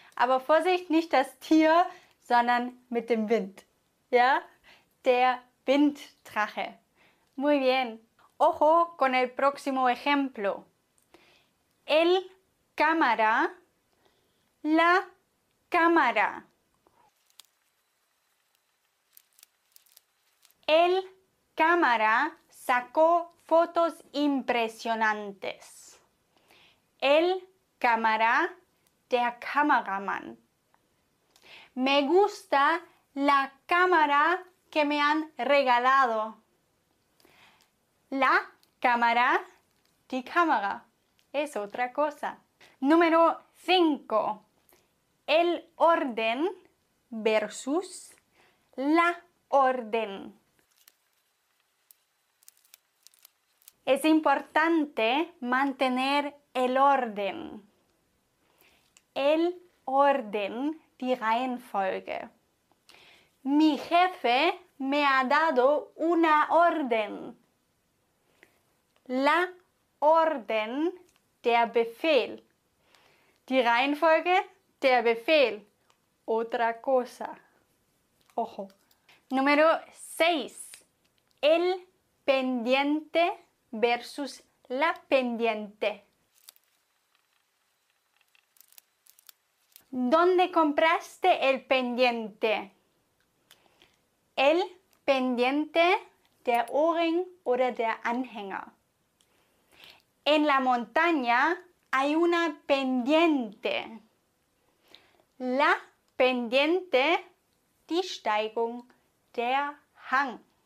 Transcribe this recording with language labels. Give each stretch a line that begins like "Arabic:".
German: Aber Vorsicht, nicht das Tier, sondern mit dem Wind. Ja? Der Winddrache.
Spanish: Muy bien. Ojo con el próximo ejemplo. El cámara, la cámara. El cámara sacó fotos impresionantes. El cámara,
German: der Kameramann.
Spanish: Me gusta la cámara que me han regalado. La cámara,
German: die Kamera.
Spanish: Es otra cosa. Número 5. El orden versus la orden. Es importante mantener el orden. El orden,
German: die Reihenfolge.
Spanish: Mi jefe me ha dado una orden. La orden,
German: der Befehl. Die Reihenfolge, der Befehl.
Spanish: Otra cosa. Ojo. Número 6. El pendiente versus la pendiente. ¿Dónde compraste el pendiente? El pendiente,
German: der Ohrring oder der Anhänger.
Spanish: En la montaña hay una pendiente. La pendiente,
German: die Steigung, der Hang.